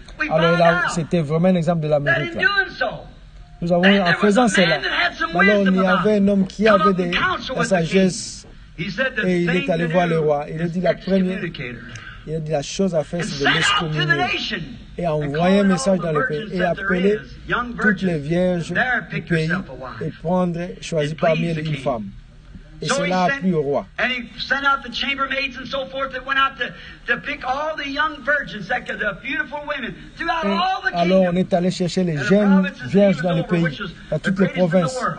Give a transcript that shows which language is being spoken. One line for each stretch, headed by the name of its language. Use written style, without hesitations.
French: Alors là, c'était vraiment un exemple de l'Amérique. Nous avons, en faisant cela, alors il y avait un homme qui avait de la sagesse et il est allé voir le roi. Il a dit la première, il a dit la chose à faire, c'est de l'excommunier. Et envoyer un message dans le pays et appeler toutes les vierges du pays et prendre, choisir parmi elles une femme. Et
English: so
French: cela a plu au roi.
English: And he sent out the chambermaids and so forth that went out to pick all the young virgins, the beautiful women, throughout
French: et
English: all the kingdom.
French: Alors on est allé chercher les jeunes vierges dans le pays, dans toutes les provinces.